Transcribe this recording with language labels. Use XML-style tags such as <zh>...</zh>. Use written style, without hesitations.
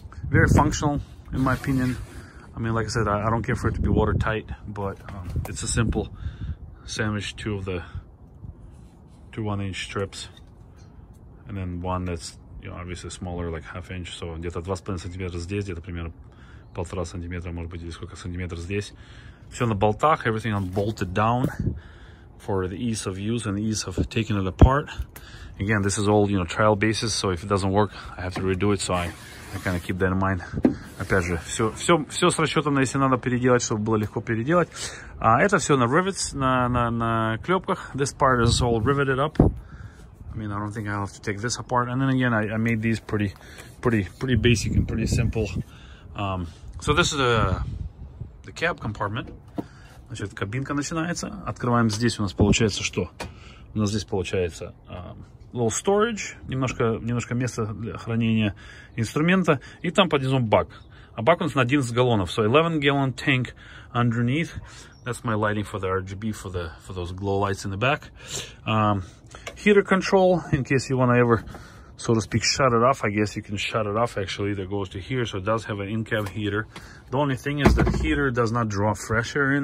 <en>Very functional, in my opinion. I mean, like I said, I don't care for it to be watertight, but it's a simple sandwich, two of the 1-inch strips. And then one that's, you know, obviously smaller, like half inch.</en> <ru>So где-то 2,5 сантиметра здесь, где-то примерно 1,5 сантиметра, может быть, или сколько сантиметров здесь. Все на болтах,</ru> <en>everything unbolted down for the ease of use and the ease of taking it apart. Again, this is all, you know, trial basis, so if it doesn't work, I have to redo it, so I kind of keep that in mind.</en> <ru>Опять же, все с расчетом, если надо переделать, чтобы было легко переделать. Это все на rivets, на клепках.</ru> <en>This part is all riveted up. I mean, I don't think I'll have to take this apart. And then again, I made these pretty basic and pretty simple. So this is the cab compartment.</en> <ru>Значит, кабинка начинается. Открываем здесь, у нас получается что? У нас здесь получается</ru> <en>little storage,</en> <ru>немножко места для хранения инструмента, и там под низом бак. А бак у нас на 11 галлонов.</ru> <en>So 11-gallon tank underneath. That's my lighting for the RGB, for those glow lights in the back. Heater control, in case you want to ever, so to speak, shut it off. I guess you can shut it off, actually. That goes to here, so it does have an in-cab heater. The only thing is that heater does not draw fresh air in.</en>